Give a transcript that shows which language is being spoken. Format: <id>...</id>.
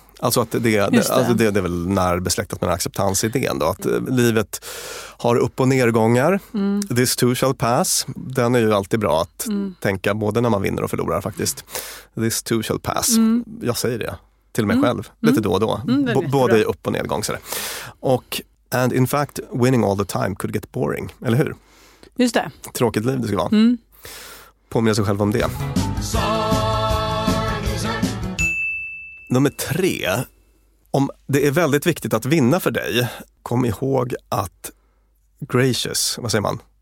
<sv>Alltså att det är väl närbesläktat med den här acceptansidén då, att livet har upp- och nedgångar.</sv> <en>This too shall pass.</en> <sv>Den är ju alltid bra att tänka, både när man vinner och förlorar faktiskt. This too shall pass. Jag säger det till mig själv lite då och då. Både i upp- och nedgång. Så och</sv> <en>and in fact, winning all the time could get boring.</en> <sv>Eller hur? Just det. Tråkigt liv det ska vara. Påminna sig själv om det. Nummer 3. Om det är väldigt viktigt att vinna för dig, kom ihåg att gracious, vad säger man?</sv>